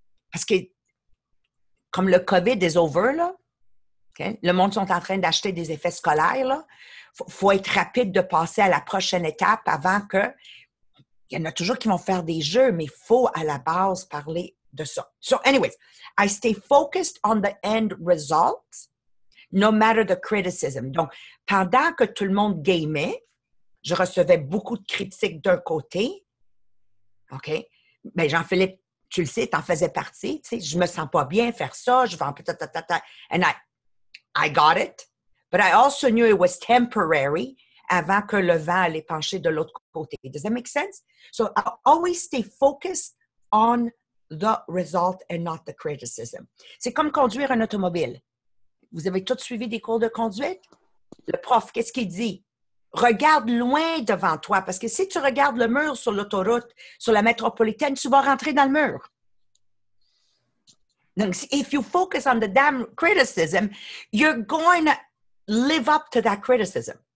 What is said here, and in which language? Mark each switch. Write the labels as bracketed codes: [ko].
[fr] Parce que, comme le COVID [en] is over, [fr] là. Okay? Le monde sont en train d'acheter des effets scolaires, là. Faut être rapide de passer à la prochaine étape avant que... Il y en a toujours qui vont faire des jeux, mais il faut à la base parler de ça. [en] So, anyways, I stay focused on the end result, no matter the criticism. [fr] Donc, pendant que tout le monde gamait, je recevais beaucoup de critiques d'un côté. OK? Mais Jean-Philippe, tu le sais, t'en faisais partie. Tu sais, je me sens pas bien faire ça. Je vais en... [en] And I got it. But I also knew it was temporary [fr] avant que le vent allait pencher de l'autre côté. [en] Does that make sense? So I always stay focused on the result and not the criticism. [fr] C'est comme conduire un automobile. Vous avez tous suivi des cours de conduite? Le prof, qu'est-ce qu'il dit? Regarde loin devant toi parce que si tu regardes le mur sur l'autoroute, sur la métropolitaine, tu vas rentrer dans le mur. [en] Donc, if you focus on the damn criticism, you're going to live up to that criticism.